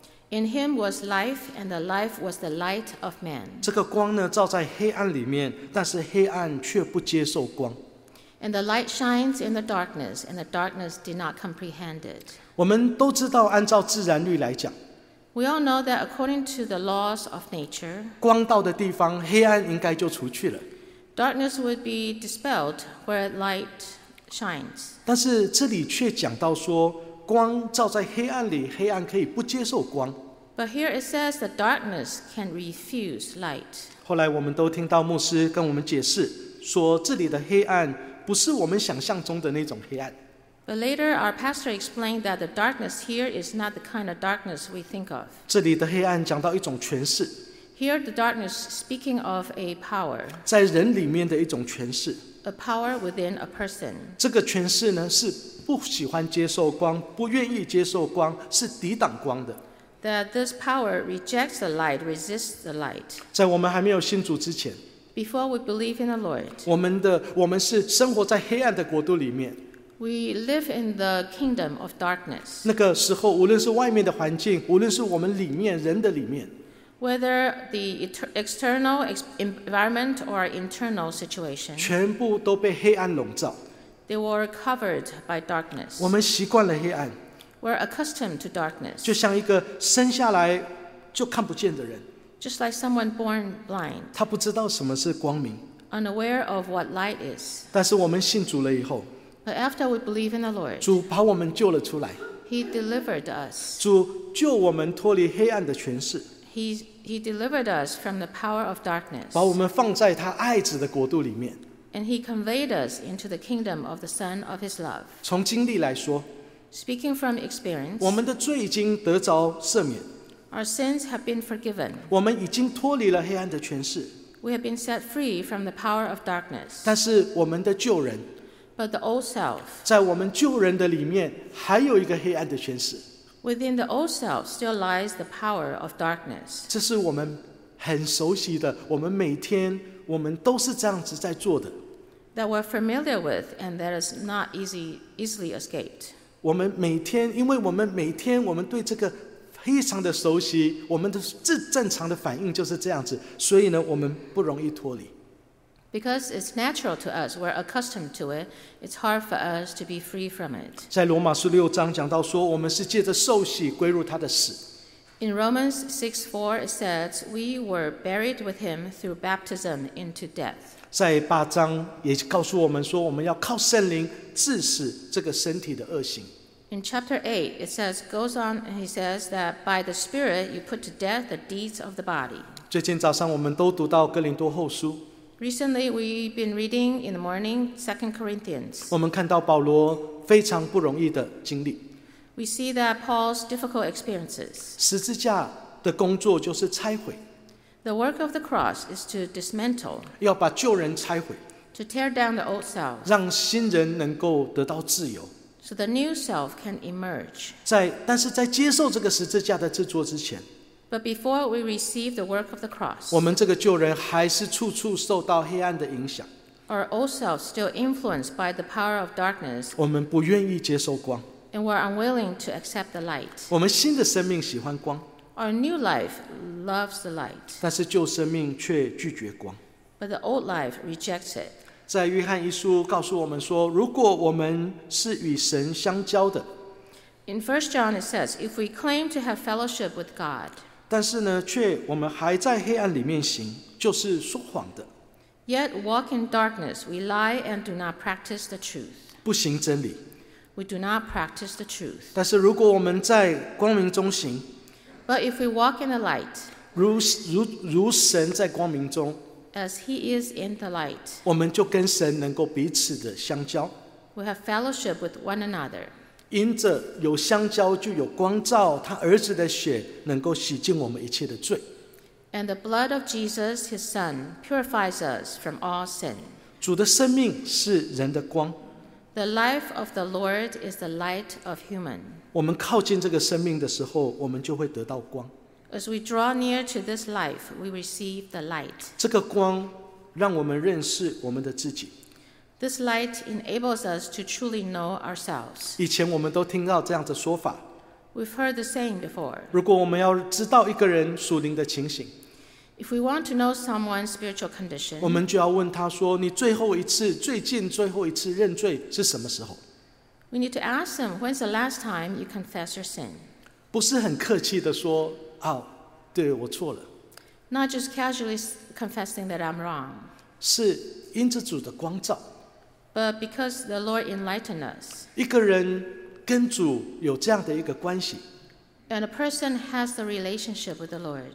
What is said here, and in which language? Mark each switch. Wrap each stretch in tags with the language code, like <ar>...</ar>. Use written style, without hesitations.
<en>In him was life, and the life was the light of man.</en> <zh>这个光呢，照在黑暗里面，但是黑暗却不接受光。</zh> <en>And the light shines in the darkness, and the darkness did not comprehend it.</en> <zh>我们都知道按照自然律来讲。</zh> <en>We all know that according to the laws of nature,</en> <zh>光到的地方，黑暗应该就除去了。</zh> <en>Darkness would be dispelled where light shines.</en> <zh>但是这里却讲到说，光照在黑暗里，黑暗可以不接受光。</zh> <en>But here it says the darkness can refuse light.</en> <zh>后来我们都听到牧师跟我们解释，说这里的黑暗不是我们想象中的那种黑暗。</zh> <en>But later, our pastor explained that the darkness here is not the kind of darkness we think of.</en> <zh>这里的黑暗讲到一种权势。</zh> <en>Here, the darkness speaking of a power.</en> <zh>在人里面的一种权势。</zh> <en>A power within a person.</en> <zh>这个权势呢，是不喜欢接受光，不愿意接受光，是抵挡光的。</zh> <en>That this power rejects the light, resists the light.</en> <zh>在我们还没有信主之前。</zh> <en>Before we believe in the Lord,</en> <zh>我们是生活在黑暗的国度里面。</zh> <en>We live in the kingdom of darkness.</en> <zh>那个时候，无论是外面的环境，无论是我们里面人的里面。</zh> <en>Whether the external environment or internal situation,</en> <zh>全部都被黑暗笼罩。</zh> <en>They were covered by darkness.</en> <zh>我们习惯了黑暗。</zh> <en>We're accustomed to darkness.</en> <zh>就像一个生下来就看不见的人。</zh> <en>Just like someone born blind,</en> <zh>他不知道什么是光明。</zh> <en>Unaware of what light is.</en> <zh>但是我们信主了以后，</zh> <en>But after we believe in the Lord,</en> <zh>主把我们救了出来。</zh> <en>He delivered us.</en> <zh>主救我们脱离黑暗的权势。</zh> <en>He delivered us from the power of darkness.</en> <zh>把我们放在他爱子的国度里面。</zh> <en>And he conveyed us into the kingdom of the Son of his love.</en> <zh>从经历来说，</zh> <en>Speaking from experience,</en> <zh>我们的罪已经得着赦免。</zh> <en>Our sins have been forgiven.</en> <zh>我们已经脱离了黑暗的权势。</zh> <en>We have been set free from the power of darkness.</en> <zh>但是我们的旧人，</zh> <en>But the old self,</en> <zh>在我们旧人的里面还有一个黑暗的权势。</zh> <en>Within the old self still lies the power of darkness.</en> <zh>这是我们很熟悉的，我们每天我们都是这样子在做的。</zh> <en>That we're familiar with and that is not easily escaped.</en> <zh>我们每天，因为我们每天我们对这个非常的熟悉，我们的最正常的反应就是这样子，所以呢，我们不容易脱离。</zh> <en>Because it's natural to us, we're accustomed to it. It's hard for us to be free from it.</en> <zh>在罗马书六章讲到说，我们是借着受洗归入他的死。</zh> <en>In Romans 6:4, it says we were buried with him through baptism into death.</en> <zh>在八章也告诉我们说，我们要靠圣灵致死这个身体的恶行。</zh> <en>In chapter 8, it says, goes on, and he says that by the Spirit you put to death the deeds of the body.</en> <zh>最近早上我们都读到哥林多后书。</zh> <en>Recently, we've been reading in the morning 2 Corinthians.</en> <zh>我们看到保罗非常不容易的经历。</zh> <en>We see that Paul's difficult experiences.</en> <zh>十字架的工作就是拆毁。</zh> <en>The work of the cross is to dismantle.</en> <zh>要把旧人拆毁。</zh> <en>To tear down the old self.</en> <zh>让新人能够得到自由。</zh> <en>So the new self can emerge.</en> <zh>但是在接受这个十字架的制作之前，</zh> <en>But before we receive the work of the cross,</en> <zh>我们这个旧人还是处处受到黑暗的影响。</zh> <en>Our old self still influenced by the power of darkness.</en> <zh>我们不愿意接受光。</zh> <en>And we're unwilling to accept the light.</en> <zh>我们新的生命喜欢光。</zh> <en>Our new life loves the light.</en> <zh>但是旧生命却拒绝光。</zh> <en>But the old life rejects it.</en> <zh>在约翰一书告诉我们说，如果我们是与神相交的，</zh> <en>In 1 John it says, if we claim to have fellowship with God,</en> <zh>但是呢，却我们还在黑暗里面行，就是说谎的。</zh> <en>Yet walk in darkness, we lie and do not practice the truth.</en> <zh>不行真理。</zh> <en>We do not practice the truth.</en> <zh>但是如果我们在光明中行，</zh> <en>But if we walk in the light,</en> <zh>如神在光明中，</zh> <en>As he is in the light,</en> <zh>我们就跟神能够彼此的相交。</zh> <en>We have fellowship with one another.</en> <zh>因着有相交，就有光照，他儿子的血能够洗净我们一切的罪。</zh> <en>And the blood of Jesus, his son, purifies us from all sin.</en> <zh>主的生命是人的光。</zh> <en>The life of the Lord is the light of human.</en> <zh>我们靠近这个生命的时候，我们就会得到光。</zh> <en>As we draw near to this life, we receive the light.</en> <zh>这个光让我们认识我们的自己。</zh> <en>This light enables us to truly know ourselves.</en> <zh>以前我们都听到这样的说法。</zh> <en>We've heard the saying before.</en> <zh>如果我们要知道一个人属灵的情形。</zh> <en>If we want to know someone's spiritual condition,</en> <zh>我们就要问他说，你最后一次，最近最后一次认罪是什么时候？</zh> <en>We need to ask them, when's the last time you confess your sin?</en> <zh>不是很客气的说，啊，对，我错了。</zh> <en>Not just casually confessing that I'm wrong.</en> <zh>是因着主的光照。</zh> <en>But because the Lord enlightened us.</en> <zh>一个人跟主有这样的一个关系。</zh> <en>And a person has the relationship with the Lord.</en>